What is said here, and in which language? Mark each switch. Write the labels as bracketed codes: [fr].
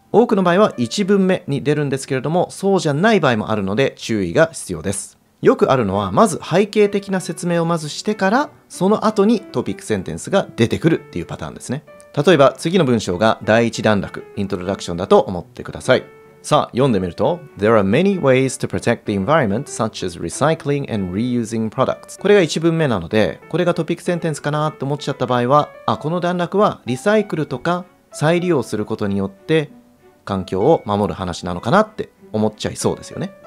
[ja] 多くの場合は1文目に出るんですけれども、そうじゃない場合もあるので注意が必要です。よくあるのはまず背景的な説明をまずしてから、その後にトピックセンテンスが出てくるっていうパターンですね。例えば次の文章が第一段落、イントロダクションだと思ってください。さあ、読んでみると、 [en] There are many ways to protect the environment, such as recycling and reusing products. [ja] これが1文目なので、これがトピックセンテンスかなと思っちゃった場合は、この段落はリサイクルとか再利用することによって環境を守る話なのかなって思っちゃいそうですよね。